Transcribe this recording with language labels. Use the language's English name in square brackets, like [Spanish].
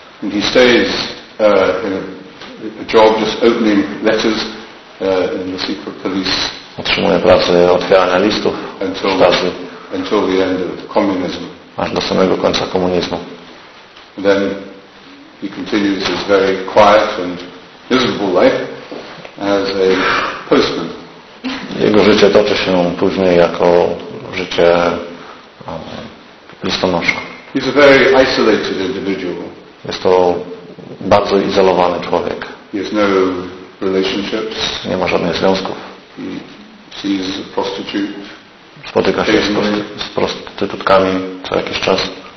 [English] And he stays in a job just opening letters in the secret police. [Polish] Otrzymuje pracę otwierania listów w Stasi. [English] Until the end of communism. [Polish] Aż do samego końca komunizmu. [English] And then he continues his very quiet and miserable life as a postman. [Polish] Jego życie toczy się później jako życie listonosza. [English] He's a very isolated individual. [Polish] Jest to bardzo izolowany człowiek. [English] He has no relationships. [Polish] Nie ma żadnych związków. [English] He sees a prostitute. [Polish] Spotyka się z prostytutkami co jakiś czas.